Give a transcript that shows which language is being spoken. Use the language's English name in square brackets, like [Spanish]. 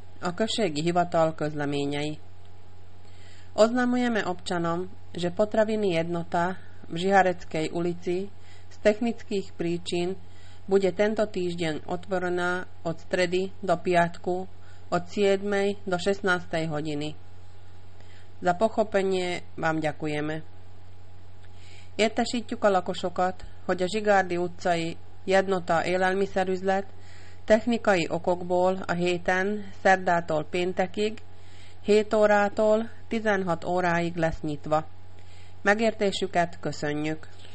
[Hungarian] A községi hivatal közleményei. [Slovak] Oznamujeme občanom, že potraviny jednota v Žihareckej ulici z technických príčin bude tento týždeň otvorená od stredy do piatku od 7. do 16. hodiny. Za pochopenie vám ďakujeme. [Hungarian] Értesítjük a lakosokat, hogy a Zsigárdi utcai jednota élelmiszerüzlet technikai okokból a héten szerdától péntekig 7 órától 16 óráig lesz nyitva. Megértésüket köszönjük.